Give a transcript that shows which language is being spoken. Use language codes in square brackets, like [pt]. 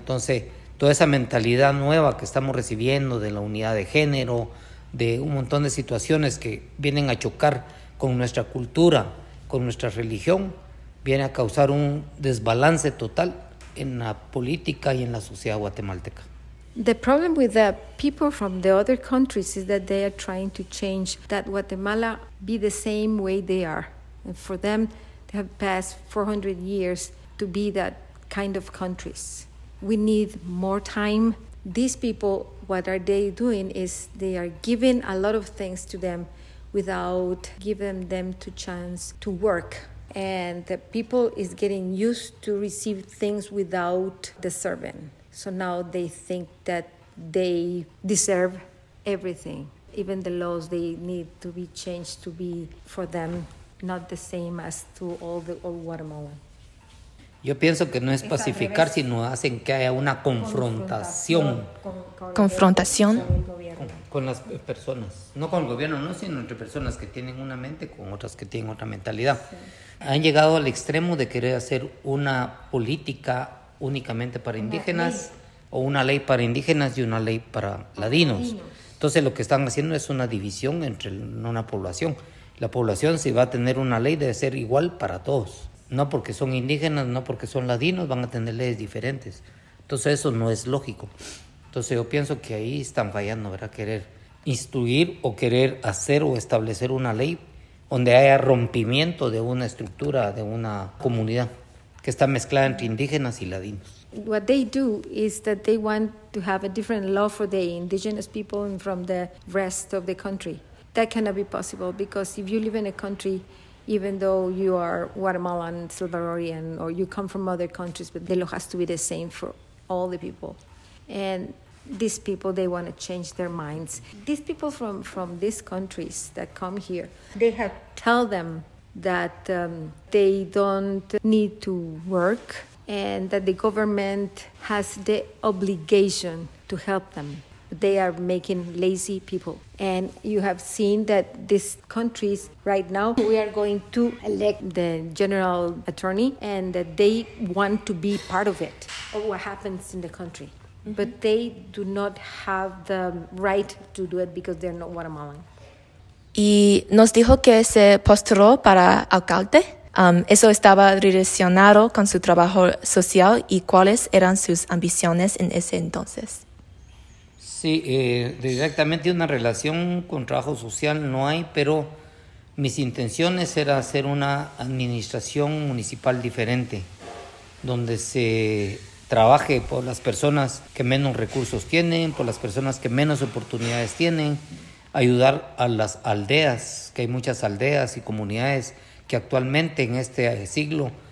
[es] Entonces, toda esa mentalidad nueva que estamos recibiendo de la unidad de género, de un montón de situaciones que vienen a chocar con nuestra cultura, con nuestra religión, viene a causar un desbalance total en la política y en la sociedad guatemalteca. [en] The problem with the people from the other countries is that they are trying to change that Guatemala be the same way they are. And for them, they have passed 400 years to be that kind of countries. We need more time. These people, what are they doing is they are giving a lot of things to them without giving them the chance to work. And the people is getting used to receive things without deserving. So now they think that they deserve everything. Even the laws, they need to be changed to be for them, not the same as to all the old Guatemala. [es] Yo pienso que no es pacificar, sino hacen que haya una confrontación. ¿Confrontación? Con las personas. No con el gobierno, no, sino entre personas que tienen una mente con otras que tienen otra mentalidad. Sí. Han llegado al extremo de querer hacer una política únicamente para indígenas, o una ley para indígenas y una ley para ladinos. Entonces lo que están haciendo es una división entre una población. La población, si va a tener una ley, debe ser igual para todos. No porque son indígenas, no porque son ladinos, van a tener leyes diferentes. Entonces eso no es lógico. Entonces yo pienso que ahí están fallando, ¿verdad? Querer instruir o querer hacer o establecer una ley donde haya rompimiento de una estructura, de una comunidad que está mezclada entre indígenas y ladinos. [en] What they do is that they want to have a different law for the indigenous people and from the rest of the country. That cannot be possible, because if you live in a country, even though you are Guatemalan, Salvadorian, or you come from other countries, but the law has to be the same for all the people. And these people, they want to change their minds. These people from these countries that come here, they have tell them that they don't need to work, and that the government has the obligation to help them. They are making lazy people. And you have seen that these countries right now, we are going to elect the general attorney, and that they want to be part of it, of what happens in the country. Mm-hmm. But they do not have the right to do it because they're not Guatemalan. [es] Y nos dijo que se postuló para alcalde. Eso estaba relacionado con su trabajo social y cuáles eran sus ambiciones en ese entonces. Sí, directamente una relación con trabajo social no hay, pero mis intenciones era hacer una administración municipal diferente, donde se trabaje por las personas que menos recursos tienen, por las personas que menos oportunidades tienen, ayudar a las aldeas, que hay muchas aldeas y comunidades que actualmente en este siglo